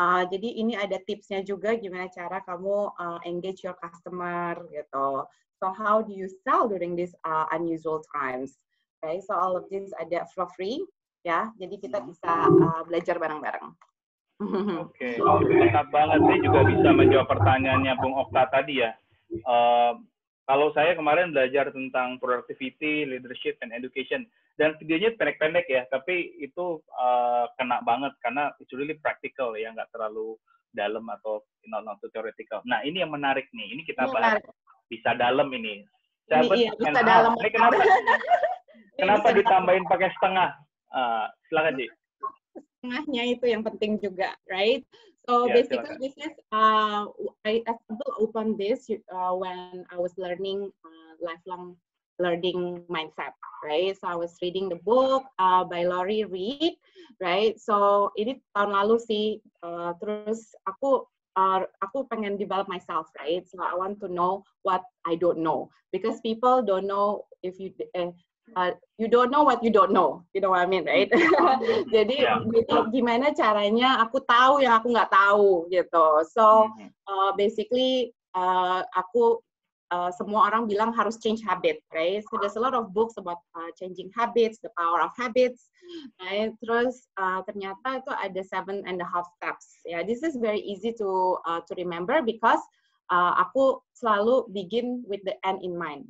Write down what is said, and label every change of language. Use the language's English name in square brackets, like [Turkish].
[Indonesian] Jadi ini ada tipsnya juga gimana cara kamu [English] engage your customer [Indonesian] gitu. [English] So how do you sell during these unusual times? Okay, so all of this [Indonesian] ada [English] for free [Indonesian] ya. Jadi kita bisa belajar bareng-bareng. Oke, sangat banget sih juga bisa menjawab pertanyaannya Bung Okta tadi ya. Kalau saya kemarin belajar tentang [English] productivity, leadership, and education. [Indonesian] Dan videonya pendek-pendek ya, tapi itu kena banget karena [English] it's really practical [Indonesian] ya, nggak terlalu dalam atau [English] not too theoretical. [Indonesian] Nah, ini yang menarik nih, ini kita bahas. Bisa dalam ini. Seven iya, bisa dalam. Ini kenapa? Kenapa ditambahin pakai setengah? Silakan Ci. Setengahnya itu yang penting juga, right? [English] So yeah, basically [Indonesian] silakan. [English] This is I stumbled upon this when I was learning lifelong learning mindset, right? So I was reading the book by Lori Reed, right? [Indonesian] So ini tahun lalu sih, terus aku pengen [English] develop myself, right? So I want to know what I don't know, because people don't know if you you don't know what you don't know, you know what I mean, right? [Indonesian] Jadi yeah. Gitu, gimana caranya aku tahu yang aku nggak tahu gitu. [English] So basically [Indonesian] aku semua orang bilang harus [English] change habit, right? So there's a lot of books about changing habits, the power of habits, right? [Indonesian] Terus ternyata itu ada 7.5 steps. [English] Yeah, this is very easy to remember because [Indonesian] aku selalu [English] begin with the end in mind.